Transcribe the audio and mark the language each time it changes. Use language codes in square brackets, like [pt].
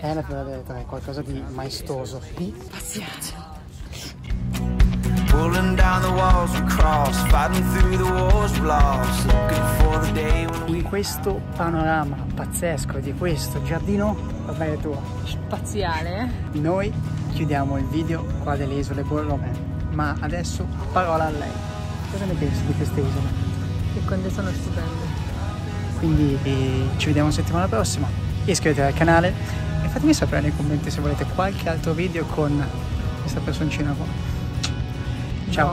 [it] È la più bella delle tre, qualcosa di maestoso. Pazienza. [en] Pulling down the walls we cross, fighting through the walls we lost, looking for the day when we... [it] In questo panorama pazzesco di questo giardino, va bene tua. Spaziale. Noi chiudiamo il video qua delle isole Borromè, ma adesso parola a lei. Cosa ne pensi di queste isole? Che quando sono stupende. Quindi ci vediamo settimana prossima. Iscrivetevi al canale e fatemi sapere nei commenti se volete qualche altro video con questa personcina qua. Ciao,